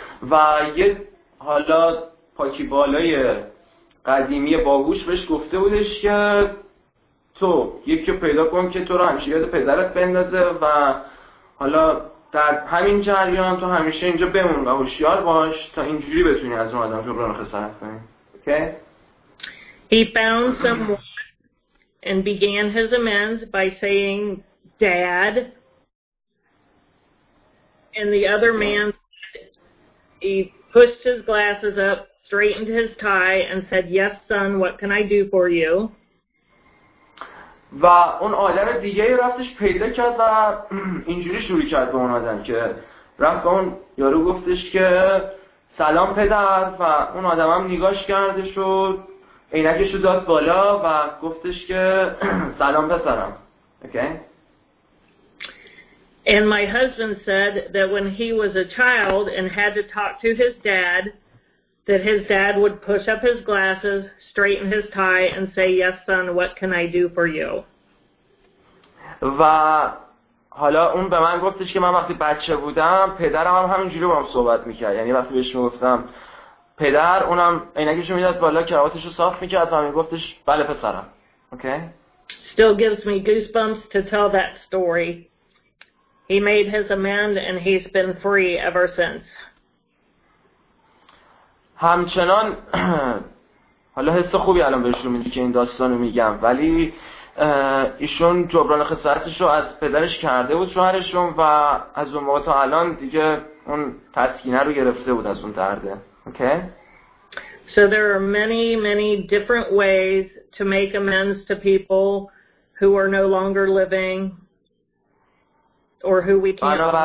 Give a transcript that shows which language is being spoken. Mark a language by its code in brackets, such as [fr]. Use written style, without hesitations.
[fa] و یه حالا پاکی بالای قدیمی باهوش بهش گفته بودش که تو یکی رو پیدا کن که تو رو همیشه یاد پدرت بندازه و حالا در همین جریان تو همیشه اینجا بمون و هوشیار باش تا اینجوری بتونی از اون آدم جبران خسارت کنی. [en] Okay? He found someone and began his amends by saying dad, and the other man he pushed his glasses up, straightened his tie and said, yes son, what can I do for you? [fa] و اون آدم دیگه رفتش پیدا کرد و اینجوری شروع کرد به اون آدم که رفت اون یارو گفتش که سلام پدر و اون آدم هم نگاش کردش و عینکش رو داد بالا و گفتش که سلام پسرم. [en] Okay? And my husband said that when he was a child and had to talk to his dad, that his dad would push up his glasses, straighten his tie, and say, yes, son, what can I do for you? [fa] و حالا اون به من گفتش که من وقتی بچه بودم پدرم هم همینجوری با هم صحبت میکرد. یعنی وقتی بهش میگفتم پدر، اونم عینکش رو میداد بالا، کراواتش رو صاف میکرد و میگفتش بله پسرم. [en] Okay? Still gives me goosebumps to tell that story. He made his amend and he's been free ever since. [fa] همچنان حالا حس خوبی الان بهشون میده که این داستانو میگم، ولی ایشون جبران خسارتش رو از پدرش کرده بود شوهرشون و از اون موقع تا الان دیگه اون تسکینه رو گرفته بود از اون درده. [en] Okay? So there are many many different ways to make amends to people who are no longer living or who we can't.